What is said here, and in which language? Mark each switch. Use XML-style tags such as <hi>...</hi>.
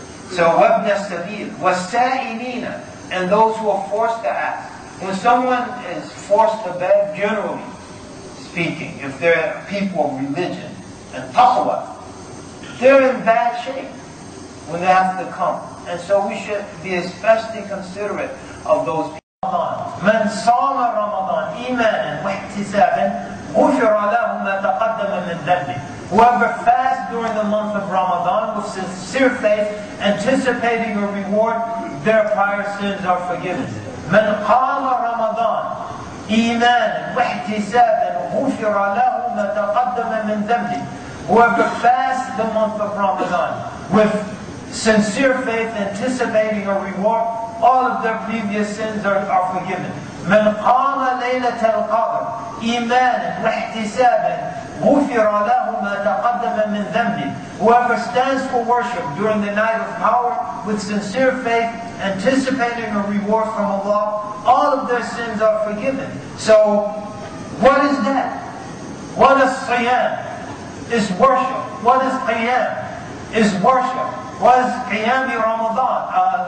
<en>So</en> <ar>وَابْنَ السَّبِيلِ وَالسَّائِنِينَ,</ar> <en>and those who are forced to ask. When someone is forced to beg, generally speaking, if they're people of religion and taqwa, they're in bad shape when they have to come. And so we should be especially considerate of those people.</en> <ar>من صام رمضان إيمانا واحتسابا غفر له ما تقدم من ذنبه.</ar> <en>Whoever fasts during the month of Ramadan with sincere faith, anticipating a reward, their prior sins are forgiven.</en> <ar>من قام رمضان إيمانا واحتسابا غفر له ما تقدم من ذنبه.</ar> <en>Whoever fasts the month of Ramadan with sincere faith, anticipating a reward, all of their previous sins are forgiven.</en> <ar>من قام ليلة القدر إيمانا واحتسابا غفر له ما تقدم من ذنبه.</ar> <en>Whoever stands for worship during the night of power with sincere faith, anticipating a reward from Allah, all of their sins are forgiven. So, what is that? What is Siyam? Is worship. What is Qiyam? Is worship. What is Qiyami Ramadan?</en>